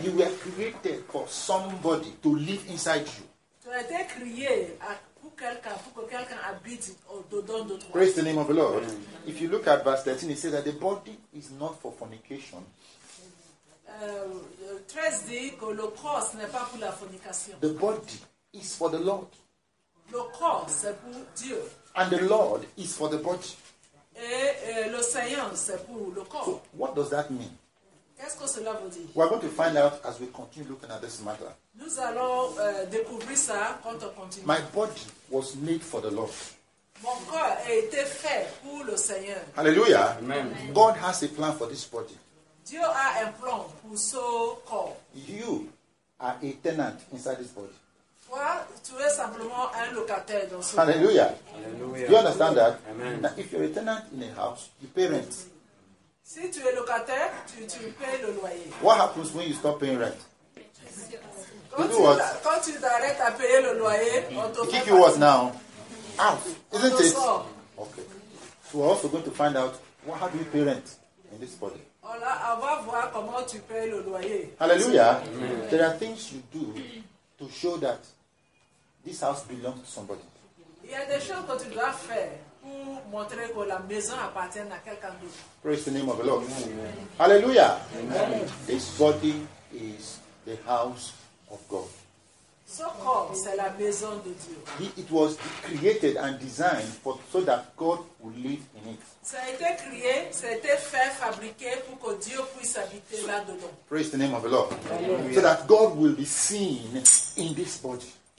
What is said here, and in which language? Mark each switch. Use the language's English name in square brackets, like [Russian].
[English] You were created for somebody to live inside you. [French] Tu as été créé pour que quelqu'un habite au-dedans de toi. [English] Praise the name of the Lord. Amen. If you look at verse 13, it says that the body is not for fornication. [French] 13 dit que le corps n'est pas pour la fornication. [English] The body is for the Lord. [French] Le corps, c'est pour Dieu. [English] And the Lord is for the body. [French] Et le Seigneur, c'est pour le corps. [English] So, what does that mean? [French] Qu'est-ce que cela veut dire? [English] We're going to find out as we continue looking at this matter. [French] Nous allons découvrir ça quand on continue. [English] My body was made for the Lord. [French] Mon corps a été fait pour le Seigneur. [English] Hallelujah. Amen. God has a plan for this body. [French] Dieu a un plan pour ce corps. [English] You are a tenant inside this body. [French] Tu es simplement un locataire dans ce [English] Hallelujah. Hallelujah. Do you understand that? Amen. Now, if you're a tenant in a house, you pay rent. [French] Si tu es locataire, tu payes le loyer. [English] What happens when you stop paying rent? [French] Quand tu arrêtes à payer le loyer, on te [English] fait kick you what now? Out, isn't [French] on [English] it? Okay. So we're also going to find out what how do you pay rent in this body. [French] On va voir comment tu payes le loyer. [English] Hallelujah. Amen. There are things you do to show that this house belongs to somebody. [French] Il y a des choses que tu dois faire pour montrer que la maison appartient à quelqu'un d'autre. [English] Praise the name of the Lord. Amen. Hallelujah. Amen. This body is the house of God. [French] Ce corps, c'est la maison de Dieu. [English] It was created and designed for so that God would live in it. [French] Ça a été créé, ça a été fait, fabriqué pour que Dieu puisse habiter là-dedans. [English] Praise the name of the Lord. Amen. So that God will be seen in this body.